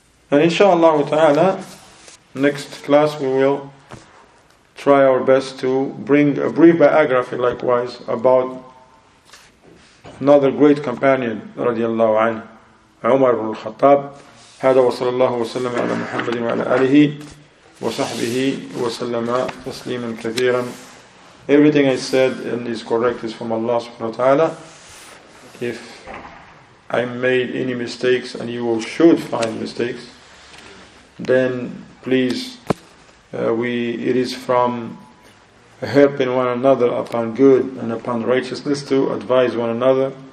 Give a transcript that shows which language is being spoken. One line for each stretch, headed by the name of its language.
English: And inshallah ta'ala, next class we will try our best to bring a brief biography likewise about another great companion,
Arabic: رضي الله عنه,
English: عمر بن الخطاب.
Arabic: هذا وصلى الله وسلم على محمد وعلى آله وصحبه وسلم تسليما كثيرا.
English: Everything I said and is correct is from Allah
Arabic: سبحانه وتعالى.
English: If I made any mistakes, and you all should find mistakes, then please, it is from helping one another upon good and upon righteousness to advise one another